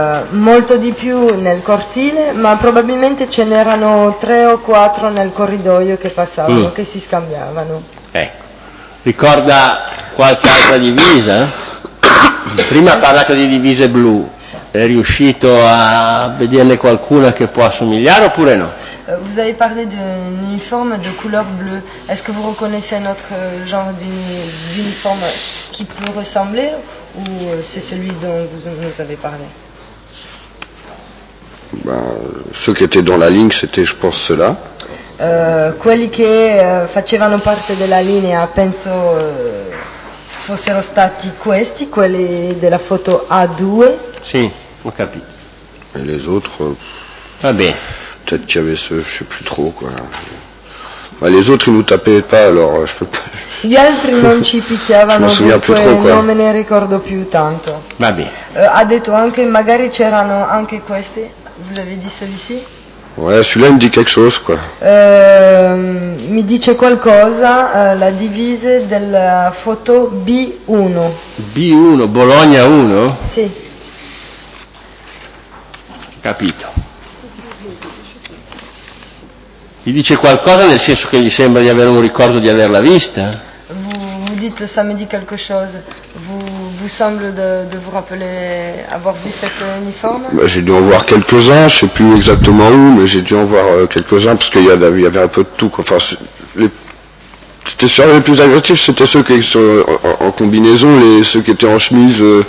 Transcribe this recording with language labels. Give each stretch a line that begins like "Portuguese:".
Italian: Molto di più nel cortile, ma probabilmente ce n'erano 3 o 4 nel corridoio che passavano, che si scambiavano. Ecco. Ricorda qualche altra divisa? Prima ha parlato di divise blu. È riuscito a vederne qualcuna che può assomigliare oppure no?
French: Vous avez parlé d'un uniforme de couleur bleue. Est-ce que vous reconnaissez notre genre d'uniforme qui peut ressembler ou c'est celui dont vous nous avez parlé? Ben, ceux qui étaient dans la ligne, c'était, je pense, ceux-là.
Italian: Quelli che facevano parte della linea, penso fossero stati questi, quelli della foto A2. Sì, ho capito.
French: Et les autres?
Italian: Va bene.
French: Peut-être qu'il y avait ce, je ne sais plus trop, quoi. Bah, les autres, ils ne nous tapaient pas, alors je ne peux pas.
Italian: Gli altri non ci picchiavano,
French: je ne m'en souviens plus trop, quoi.
Italian: Non me ne ricordo più tanto. Va bene. Ha detto anche, magari c'erano anche questi.
French: Vous avez dit celui-ci? Ouais, celui-là me dit quelque chose, quoi.
Italian: Mi dice qualcosa, la divise della foto B1. B1, Bologna 1? Sì. Capito. Gli dice qualcosa nel senso che gli sembra di avere un ricordo di averla vista?
French: Vous dites ça me dit quelque chose. Vous semble de vous rappeler avoir vu cette uniforme? Bah, j'ai dû en voir quelques-uns, je sais plus exactement où, mais j'ai dû en voir quelques-uns parce qu'il y avait un peu de tout. Enfin, j'étais sûr les plus agressifs, c'était ceux qui sont en combinaison, ceux qui étaient en chemise.